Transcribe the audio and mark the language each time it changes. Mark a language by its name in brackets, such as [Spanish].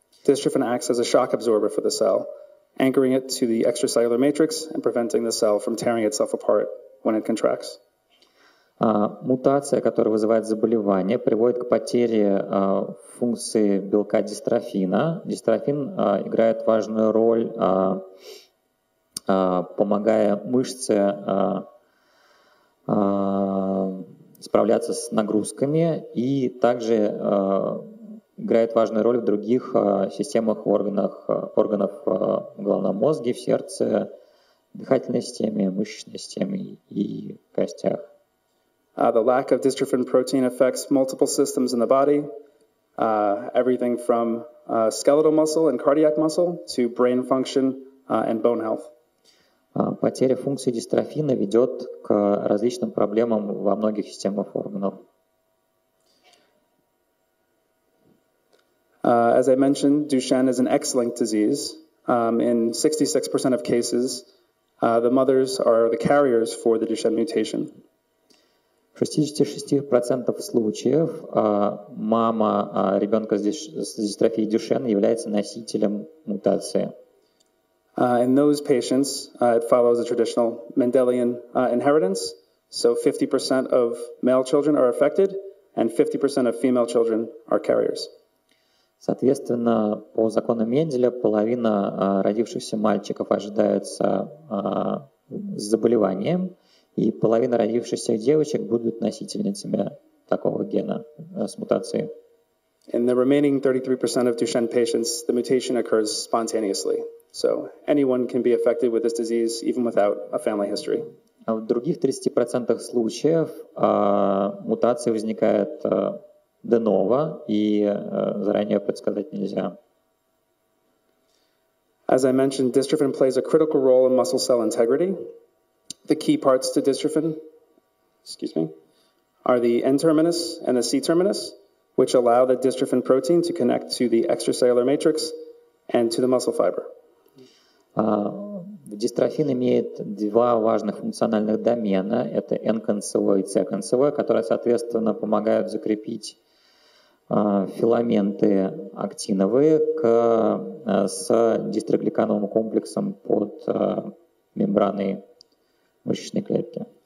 [English] Dystrophin acts as a shock absorber for the cell, anchoring it to the extracellular matrix and preventing the cell from tearing itself apart when it contracts. [Russian] Мутация, которая вызывает заболевание, приводит к потере функции белка дистрофина. Дистрофин играет важную роль, помогая мышце справляться с нагрузками и также играет важную роль в других системах органов в головном мозге, в сердце, дыхательной системе, мышечной системе и костях. [English] The lack of dystrophin protein affects multiple systems in the body, everything from skeletal muscle and cardiac muscle to brain function and bone health. [Russian] Потеря функции дистрофина ведет к различным проблемам во многих системах органов. [English] As I mentioned, Duchenne is an X-linked disease. In 66% of cases, the mothers are the carriers for the Duchenne mutation. [Russian] В 66% случаев мама ребенка с дистрофией Дюшен является носителем мутации. [English] In those patients, it follows a traditional Mendelian inheritance. So 50% of male children are affected, and 50% of female children are carriers. [Russian] Соответственно, по закону Менделя, половина родившихся мальчиков ожидается с заболеванием, и половина родившихся девочек будут носительницами такого гена с мутацией. [English] In the remaining 33% of Duchenne patients, the mutation occurs spontaneously. So anyone can be affected with this disease, even without a family history. [Russian] В других 30% случаев мутация возникает де ново, и заранее предсказать нельзя. [English] As I mentioned, dystrophin plays a critical role in muscle cell integrity. The key parts to dystrophin, are the N-terminus and the C-terminus, which allow the dystrophin protein to connect to the extracellular matrix and to the muscle fiber. [Russian] Дистрофин имеет два важных функциональных домена. Это N-концевой и C-концевой, которые, соответственно, помогают закрепить филаменты актиновые с дистрогликановым комплексом под мембраной мышечной клетки.